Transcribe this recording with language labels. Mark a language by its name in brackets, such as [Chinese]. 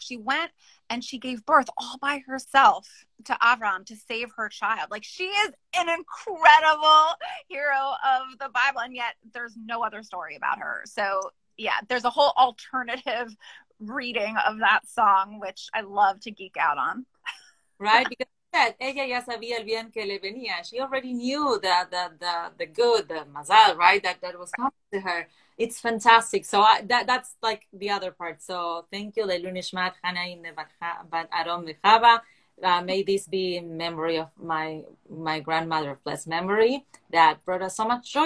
[English] She went and she gave birth all by herself to Avram to save her child. Like, she is an incredible hero of the Bible, and yet there's no other story about her. So yeah, there's a whole alternative reading of that song, which I love to geek out on. Right, because that [Spanish] ella ya sabía el bien que le venía. [English] She already knew the good, the mazal, right? That was coming to her. It's fantastic. So that's like the other part. So thank you, Lelui Nishmat, Jana, Hinde, but Aron, Mechaba. May this be in memory of my grandmother, blessed memory, that brought us so much joy.